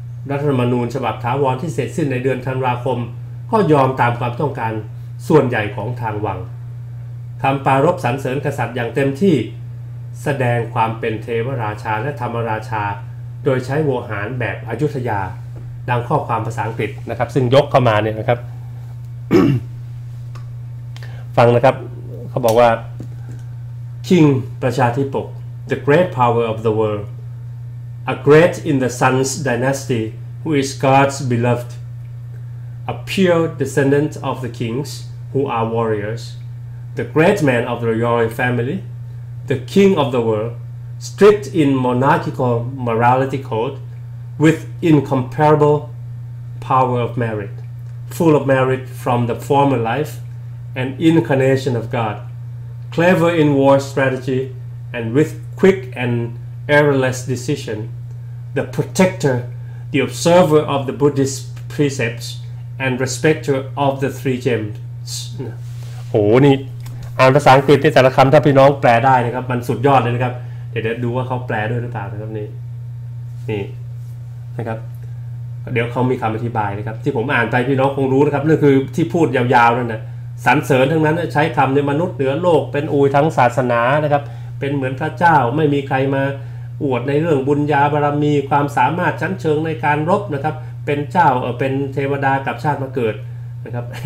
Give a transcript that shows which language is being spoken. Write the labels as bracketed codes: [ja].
[th] รัฐธรรมนูญฉบับถาวรที่เสร็จสิ้นในเดือนธันวาคมก็ยอมตามความต้องการส่วนใหญ่ของทางวังทำปารภสรรเสริญกษัตริย์อย่างเต็มที่แสดงความเป็นเทวราชาและธรรมราชาโดยใช้โวหารแบบอยุธยาดังข้อความภาษาอังกฤษ นะครับซึ่งยกเข้ามาเนี่ยนะครับ ฟังนะครับเขาบอกว่า [en] King ประชาธิปก The great power of the worldA great in the sun's dynasty, who is God's beloved. A pure descendant of the kings, who are warriors. The great man of the royal family. The king of the world. Strict in monarchical morality code. With incomparable power of merit. Full of merit from the former life. An incarnation of God. Clever in war strategy. And with quick and errorless decision. The protector, the observer of the Buddhist precepts, and respecter of the three gems. [th] โอ้นี่อ่านภาษาอังกฤษแต่ละคำถ้าพี่น้องแปลได้นะครับมันสุดยอดเลยนะครับเดี๋ยวดูว่าเขาแปลด้วยหรือเปล่านะครับนี่นะครับเดี๋ยวเขามีคำอธิบายนะครับที่ผมอ่านไปพี่น้องคงรู้นะครับนั่นคือที่พูดยาวๆนั่นนะสรรเสริญทั้งนั้นใช้คำในมนุษย์เหนือโลกเป็นอุยทั้งศาสนานะครับเป็นเหมือนพระเจ้าไม่มีใครมาอวดในเรื่องบุญญาบารมีความสามารถชั้นเชิงในการรบนะครับเป็นเจ้าเป็นเทวดากับชาติมาเกิดนะครับ